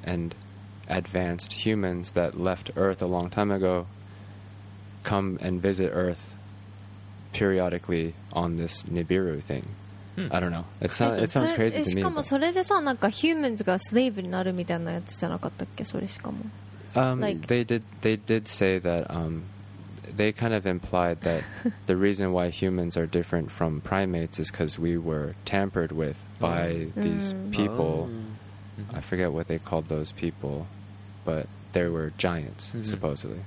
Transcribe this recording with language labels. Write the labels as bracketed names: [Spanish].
[English] And advanced humans that left Earth a long time ago come and visit Earth periodically on this Nibiru thing. I don't know. It sounds crazy to me. [Japanese] しかもそれでさ、なんか [English] humans [Japanese] がスレーブになるみたいなやつじゃなかったっけ？それしかも。 [English] They did say that they kind of implied that the reason why humans are different from primates is because we were tampered with by these people. I forget what they called those people, but they were giants, supposedly.